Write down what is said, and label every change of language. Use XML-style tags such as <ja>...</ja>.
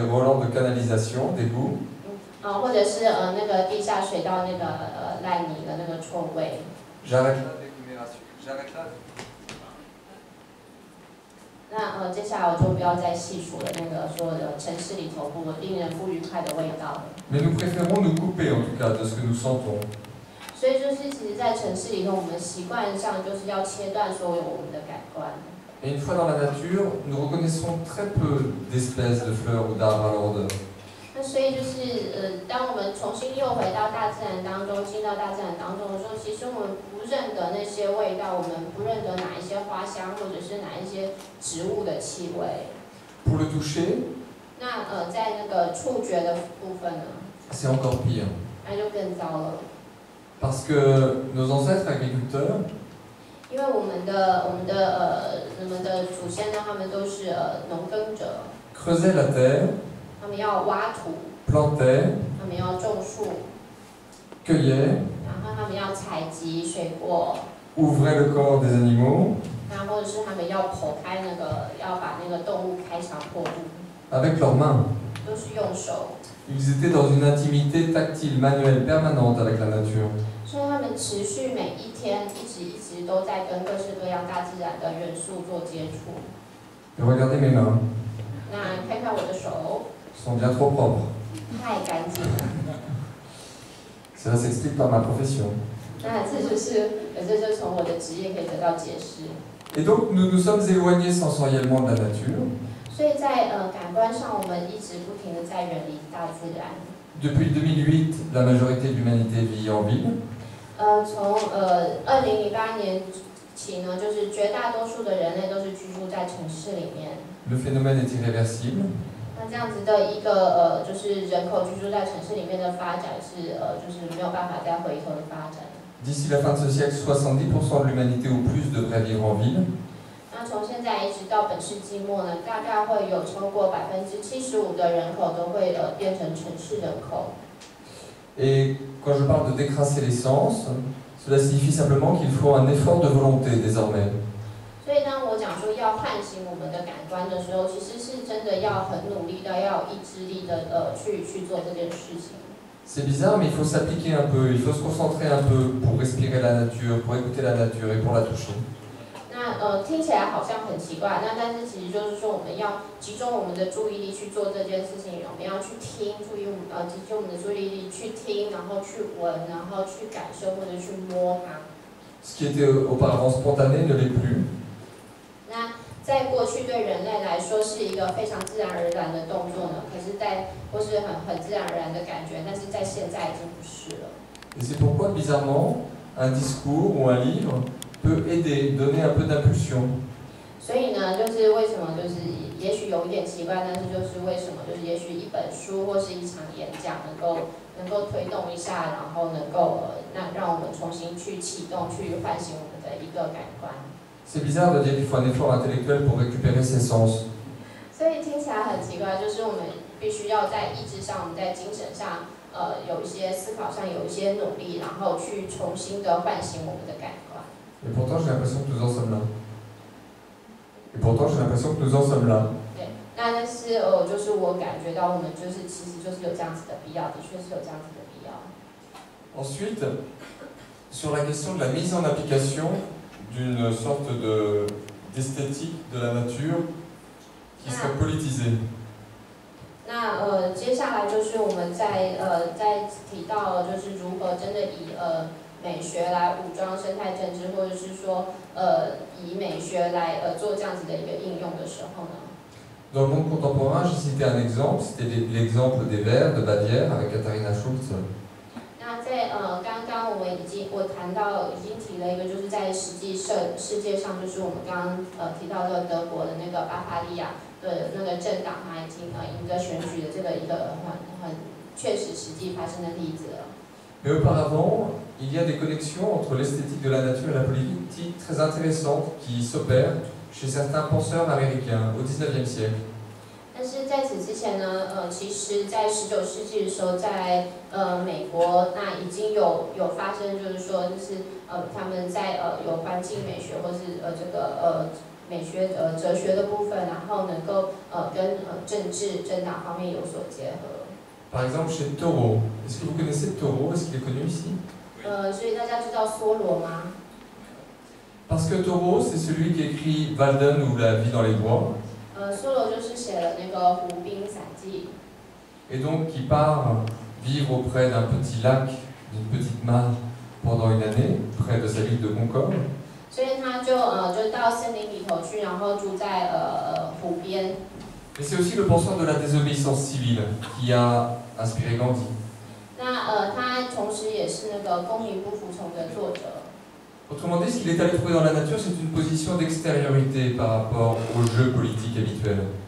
<fr>volants de canalisation d'égout.</fr> <zh>或者是那个地下水道那个烂泥的那个臭味。</zh> <fr>J'arrête là.</fr> <zh>那接下来我就不要再细数了，那个所有的城市里头不令人不愉快的味道。</zh> <fr>Mais nous préférons nous couper en tout cas de ce que nous sentons.</fr> <zh>所以就是其实在城市里头，我们习惯上就是要切断所有我们的感官。</zh> <fr>Et une fois dans la nature, nous reconnaissons très peu d'espèces de fleurs ou d'arbres à l'odeur.</fr> <zh>那所以就是当我们重新又回到大自然当中，进到大自然当中的时候，其实我们不认得那些味道，我们不认得哪一些花香或者是哪一些植物的气味。</zh> <fr>Pour le toucher.</fr> <zh>那在那个触觉的部分呢？</zh> <fr>C'est encore pire.</fr> <zh>那就更糟了。</zh> <fr>Parce que nos ancêtres agriculteurs.</fr> <zh>因为我们的祖先呢，他们都是农耕者。</zh> <fr>Creusaient la terre.</fr> <zh>他们要挖土。</zh> <fr>Plantaient.</fr> <zh>他们要种树。</zh> <fr>Cueillaient.</fr> <zh>然后他们要采集水果。</zh> <fr>Ouvraient le corps des animaux.</fr> <zh>那或者是他们要剖开那个，要把那个动物开肠破肚。</zh> <fr>Avec leurs mains.</fr> <zh>都是用手。</zh> <fr>Ils étaient dans une intimité tactile manuelle permanente avec la nature.</fr> <zh>所以他们持续每一天一直都在跟各式各样大自然的元素做接触。</zh> <fr>Regardez mes mains.</fr> <zh>那看看我的手。</zh> <fr>Sont bien trop propres.</fr> <zh>太干净了。</zh> <fr>Cela s'explique par ma profession.</fr> <zh>那这就是从我的职业可以得到解释。</zh> <fr>Et donc nous nous sommes éloignés sensoriellement de la nature.</fr> <zh>所以在感官上，我们一直不停的在远离大自然。</zh> <fr>Depuis 2008, la majorité de l'humanité vit en ville.</fr> <zh>从2008年起呢，就是绝大多数的人类都是居住在城市里面。</zh> <fr>Le phénomène est irréversible.</fr> <zh>那这样子的一个就是人口居住在城市里面的发展是就是没有办法再回头的发展。</zh> <fr>D'ici la fin de ce siècle, 70% de l'humanité ou plus devrait vivre en ville.</fr> <zh>那从现在一直到本世纪末呢，大概会有超过75%的人口都会变成城市人口。</zh> <fr>Et quand je parle de décrasser les sens, cela signifie simplement qu'il faut un effort de volonté désormais.</fr> <zh>所以当我讲说要唤醒我们的感官的时候，其实是真的要很努力的，要有意志力的去做这件事情。</zh> <fr>C'est bizarre, mais il faut s'appliquer un peu, il faut se concentrer un peu pour respirer la nature, pour écouter la nature et pour la toucher.</fr> <zh>那听起来好像很奇怪，那但是其实就是说我们要集中我们的注意力去做这件事情，我们要去听，注意集中我们的注意力去听，然后去闻，然后去感受或者去摸它。</zh> <fr>Ce qui était auparavant spontané ne l'est plus.</fr> <zh>那在过去对人类来说是一个非常自然而然的动作呢，可是在或是很自然而然的感觉，但是在现在已经不是了。</zh> <fr>Et c'est pourquoi bizarrement un discours ou un livre peut aider, donner un peu d'impulsion.</fr> <zh>所以呢，就是为什么就是也许有一点奇怪，但是就是为什么就是也许一本书或是一场演讲能够推动一下，然后能够让我们重新去启动，去唤醒我们的一个感官。</zh> <fr>C'est bizarre de dire qu'il faut un effort intellectuel pour récupérer ses sens.</fr> <zh>所以听起来很奇怪，就是我们必须要在意志上、我们在精神上，有一些思考上有一些努力，然后去重新的唤醒我们的感官。</zh> <fr>Et pourtant, j'ai l'impression que nous en sommes là. Et pourtant, j'ai l'impression que nous en sommes là.</fr> <zh>对，那是就是我感觉到我们就是其实就是有这样子的必要，的确是有这样子的必要。</zh> <fr>Ensuite, sur la question de la mise en application. D'une sorte de, d'esthétique de la nature qui serait politisée.</fr> <zh>那接下来就是我们在提到就是如何真的以美学来武装生态政治，或者是说以美学来做这样子的一个应用的时候呢？</zh> <fr>Dans le monde contemporain, j'ai cité un exemple, c'était l'exemple des vers de Bavière avec Katharina Schulz.</fr> <zh>在刚刚我谈到已经提了一个，就是在实际世界上，就是我们刚提到的德国的那个巴伐利亚的那个政党，他已经赢得选举的这个一个很确实实际发生的例子了。</zh> <fr>Mais auparavant, il y a des connexions entre l'esthétique de la nature et la politique très intéressantes qui s'opèrent chez certains penseurs américains au XIXe siècle.</fr> <zh>但是在此之前呢，其实，在十九世纪的时候，在美国，那已经有发生，就是说，就是他们在有环境美学，或是这个美学哲学的部分，然后能够跟政治政党方面有所结合。</zh> <fr>Par exemple, chez Thoreau, est-ce que vous connaissez Thoreau? Est-ce qu'il est connu ici?</fr> <zh>所以大家知道梭罗吗</zh> <fr>？Parce que Thoreau, c'est celui qui écrit Walden ou La vie dans les bois.</fr> <zh>Solo 就是写了那个湖滨散记。</zh> <fr>Et donc qui part vivre auprès d'un petit lac, d'une petite mare pendant une année près de sa ville de Concord.</fr> <zh>所以他就到森林里头去，然后住在湖边。</zh> <fr>Et c'est aussi le penseur de la désobéissance civile qui a inspiré Gandhi.</fr> <zh>那他同时也是那个公民不服从的作者。</zh> <fr>Autrement dit, ce qu'il est allé trouver dans la nature, c'est une position d'extériorité par rapport au jeu politique habituel.</fr>